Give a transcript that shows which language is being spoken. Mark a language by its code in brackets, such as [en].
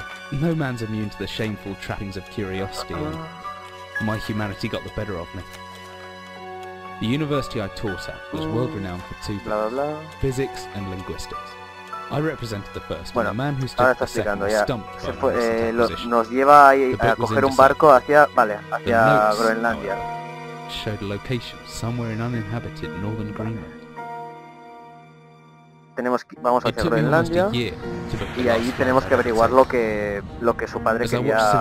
[en] No man's immune to the shameful trappings of curiosity. My humanity got the better of me. The university I taught at was world renowned for two things: physics and linguistics. I represented the first. [es] Bueno, [en] man who [es] ahora está explicando ya. Se fue, nos lleva ahí a coger un barco hacia Groenlandia. [en] Showed a location somewhere in uninhabited northern Greenland. [es] Vamos hacia Groenlandia y ahí tenemos que averiguar lo que su padre quería.